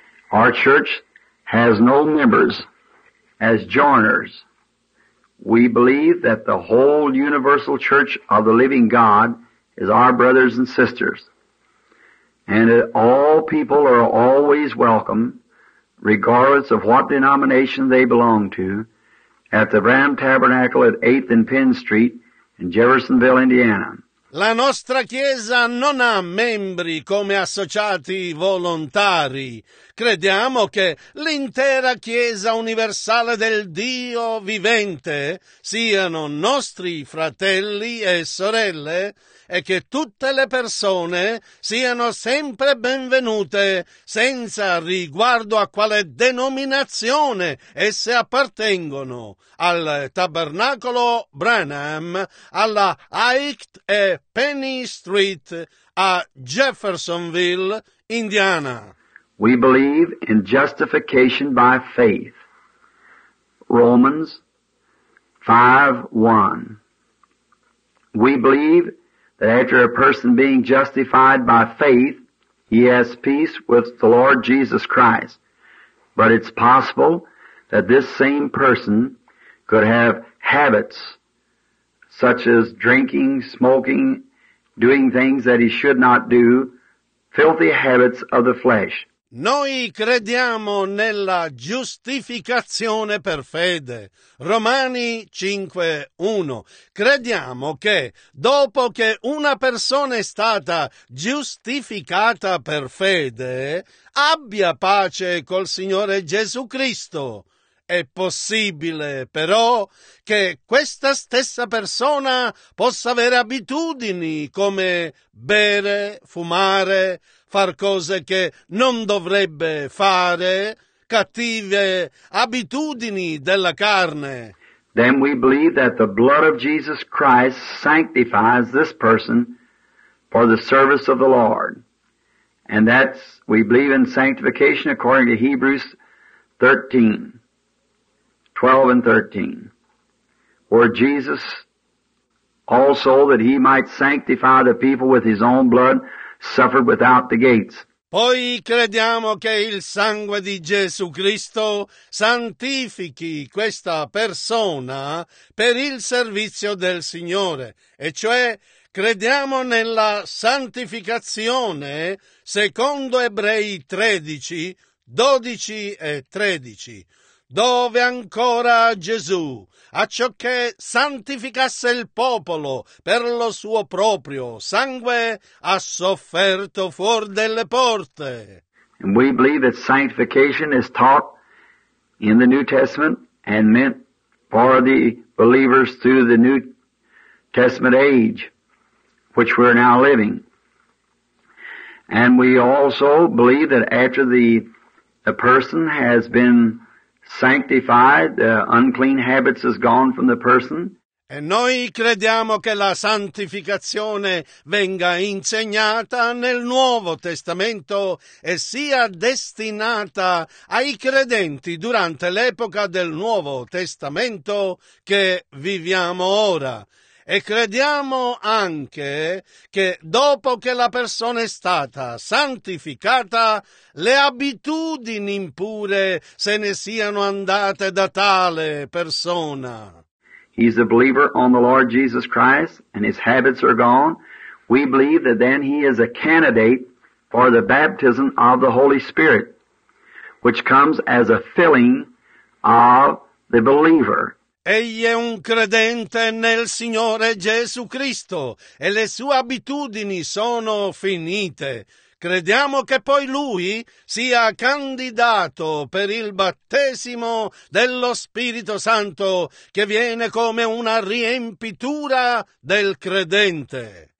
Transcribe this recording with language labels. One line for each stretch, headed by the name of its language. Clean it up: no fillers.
English: Our church has no members as joiners. We believe that the whole universal church of the living God is our brothers and sisters, and that all people are always welcome, regardless of what denomination they belong to, at the Branham Tabernacle at 8th and Penn Street in Jeffersonville, Indiana.
Italian: La nostra Chiesa non ha membri come associati volontari. Crediamo che l'intera Chiesa universale del Dio vivente siano nostri fratelli e sorelle e che tutte le persone siano sempre benvenute senza riguardo a quale denominazione esse appartengono, al Tabernacolo Branham, alla Aikt e Penny Street a Jeffersonville, Indiana.
English: We believe in justification by faith. Romans 5:1. We believe that after a person being justified by faith, he has peace with the Lord Jesus Christ. But it's possible that this same person could have habits such as drinking, smoking, doing things that he should not do, filthy habits of the flesh.
Italian: Noi crediamo nella giustificazione per fede. Romani 5:1. Crediamo che dopo che una persona è stata giustificata per fede, abbia pace col Signore Gesù Cristo. È possibile, però, che questa stessa persona possa avere abitudini come bere, fumare, far cose che non dovrebbe fare, cattive abitudini della carne.
English: Then we believe that the blood of Jesus Christ sanctifies this person for the service of the Lord. And that's, we believe in sanctification according to Hebrews 13:12-13. Where Jesus also, that he might sanctify the people with his own blood, suffered without the gates.
Italian: Poi crediamo che il sangue di Gesù Cristo santifichi questa persona per il servizio del Signore, e cioè crediamo nella santificazione secondo Ebrei 13:12-13. Dove ancora Gesù, a ciò che santificasse il popolo per lo suo proprio sangue, ha sofferto fuor delle porte.
English: And we believe that sanctification is taught in the New Testament and meant for the believers through the New Testament age, which we're now living. And we also believe that after the person has been sanctified, the unclean habits is gone from the person.
Italian: E noi crediamo che la santificazione venga insegnata nel Nuovo Testamento e sia destinata ai credenti durante l'epoca del Nuovo Testamento che viviamo ora. E crediamo anche che dopo che la persona è stata santificata, le abitudini impure se ne siano andate da tale persona.
English: He's a believer on the Lord Jesus Christ and his habits are gone. We believe that then he is a candidate for the baptism of the Holy Spirit, which comes as a filling of the believer.
Italian: Egli è un credente nel Signore Gesù Cristo e le sue abitudini sono finite. Crediamo che poi lui sia candidato per il battesimo dello Spirito Santo che viene come una riempitura del credente.